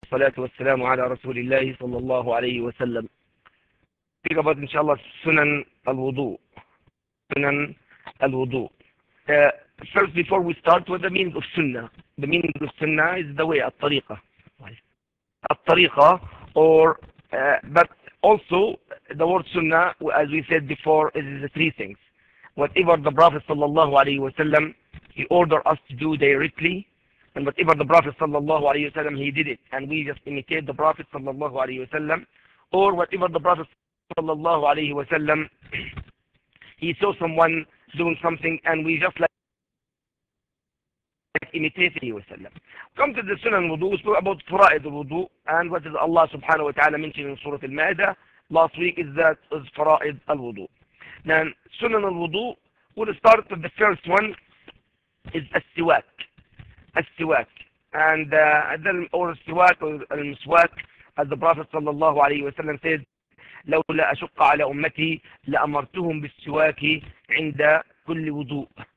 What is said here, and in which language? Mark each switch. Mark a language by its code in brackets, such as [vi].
[ar] والصلاة والسلام على رسول الله صلى الله عليه وسلم. في بعض إن شاء الله سنن الوضوء. سنن الوضوء. [en] First before we start, what the meaning of sunnah? The meaning of sunnah is the way, الطريقة. الطريقة or but also the word sunnah, as we said before, is the three things. Whatever the Prophet [ar] صلى الله عليه وسلم [en] he ordered us to do directly, and whatever the Prophet صلى الله عليه وسلم he did it, and we just imitate the Prophet صلى الله عليه وسلم, or whatever the Prophet صلى الله عليه وسلم he saw someone doing something and we just like imitate him وسلم. Come to the Sunan Wudu, we spoke about Faraid Wudu, and what did Allah subhanahu wa ta'ala mention in Surah Al-Ma'idah last week is that is Faraid Wudu. Then Sunan Wudu, we'll start with the first one is السواك. [ar] السواك and or السواك or المسواك, [en] as the Prophet [ar] صلى الله عليه وسلم [en] said, [ar] لولا أشق على أمتي لأمرتهم بالسواك عند كل وضوء.